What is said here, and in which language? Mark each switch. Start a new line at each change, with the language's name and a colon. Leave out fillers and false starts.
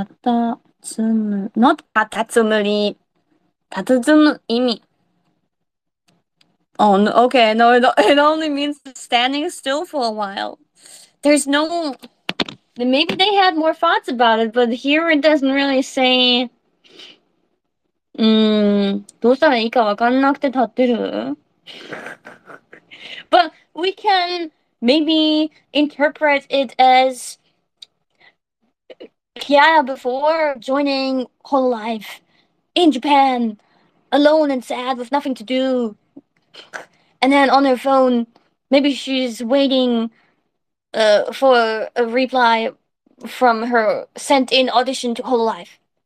English: Tatatsumu. Not tatatsumuri.
Japanese: Tatazumu imi.
English: Oh, no, okay, no, it only means standing still for a while. There's no. Maybe they had more thoughts about it, but here it doesn't really say.
Japanese: どうしたらいいかわかんなくて立ってる?
English: But we can maybe interpret it as Kiara before joining Hololive Life in Japan, alone and sad with nothing to do. And then on her phone, maybe she's waiting for a reply from her sent in audition to Hololive.